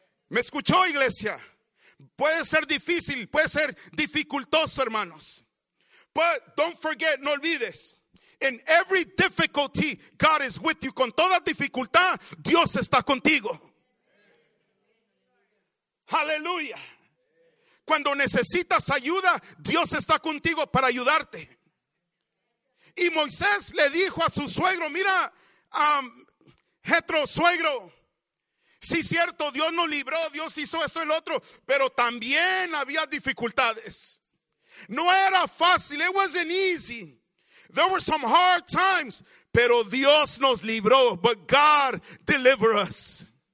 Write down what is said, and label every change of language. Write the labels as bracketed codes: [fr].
[es] ¿Me escuchó, iglesia? Puede ser difícil, puede ser dificultoso, hermanos. [en] But don't forget, no olvides, in every difficulty, God is with you. Con toda dificultad, Dios está contigo. [es] Aleluya. Cuando necesitas ayuda, Dios está contigo para ayudarte. Y Moisés le dijo a su suegro, mira, Jetro, suegro, sí, cierto, Dios nos libró, Dios hizo esto y el otro, pero también había dificultades. No era fácil, it wasn't easy. [en] There were some hard times, pero Dios nos libró, but God delivered us.